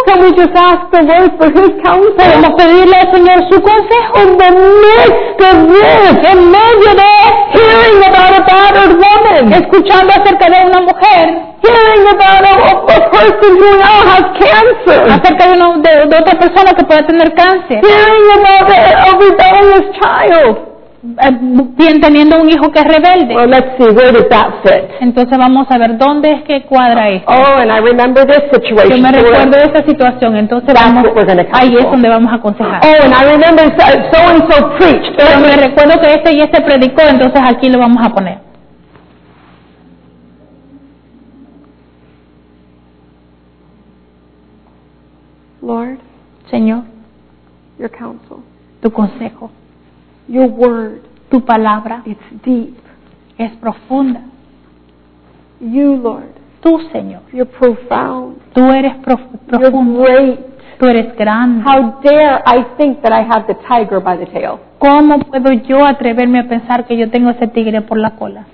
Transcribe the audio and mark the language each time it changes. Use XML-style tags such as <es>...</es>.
<en>Can we just ask the Lord for his counsel?</en> <es>¿Podemos pedirle al Señor su consejo?</es> <en>In the midst of this,</en> <es>en medio de</es> <en>hearing about a battered woman,</en> <es>escuchando acerca de una mujer,</es> <en>hearing about a person who now has cancer,</en> <es>acerca de, uno, de otra persona que pueda tener cáncer,</es> <en>hearing about a rebellious child,</en> <es>bien teniendo un hijo que es rebelde.</es> <en>Well, let's see, where did that fit?</en> <es>Entonces vamos a ver dónde es que cuadra esto.</es> <en>Oh, and I remember this situation.</en> <es>Yo me recuerdo esa situación, entonces vamos, ahí es donde vamos a aconsejar.</es> <en>Oh, and I remember so and so preached.</en> <es>Yo me recuerdo que este y este predicó, entonces aquí lo vamos a poner.</es> <en>Lord,</en> <es>Señor,</es> <en>your counsel.</en> <es>Tu consejo.</es> <en>Your word,</en> <es>tu palabra,</es> <en>it's deep,</en> <es>es profunda.</es> <en>You, Lord,</en> <es>tú, Señor,</es> <en>you're profound,</en> <es>tú eres profundo,</es> <en>you're great,</en> <es>tú eres grande.</es> <en>How dare I think that I have the tiger by the tail?</en> <es>¿Cómo puedo yo atreverme a pensar que yo tengo ese tigre por la cola?</es>